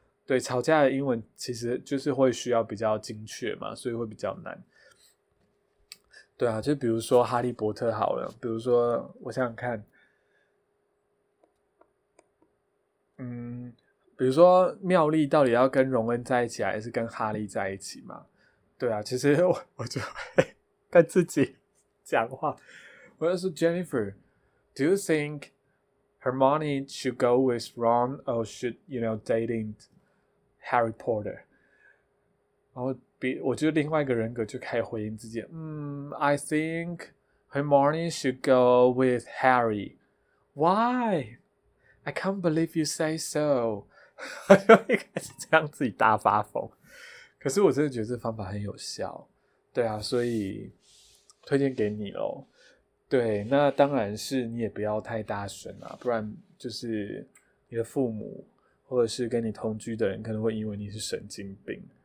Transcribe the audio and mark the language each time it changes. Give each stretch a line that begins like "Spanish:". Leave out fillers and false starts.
Chinese: 对，吵架的英文其实就是会需要比较精确嘛，所以会比较难。对啊，就比如说哈利波特好了，比如说我想想看，比如说妙丽到底要跟荣恩在一起还是跟哈利在一起嘛。对啊，其实 我就会跟自己讲话，我就说
English: Jennifer, do you think Hermione should go with Ron or should, you know, dating Harry Potter?
Chinese: 然后我觉得另外一个人格就可以回应自己，
English: I think Hermione should go with Harry. Why? I can't believe you say so.
Chinese: 我就一开始这样自己大发疯。可是我真的觉得这方法很有效。对啊，所以推荐给你咯。对，那当然是你也不要太大声啦，不然就是你的父母或者是跟你同居的人可能会因为你是神经病。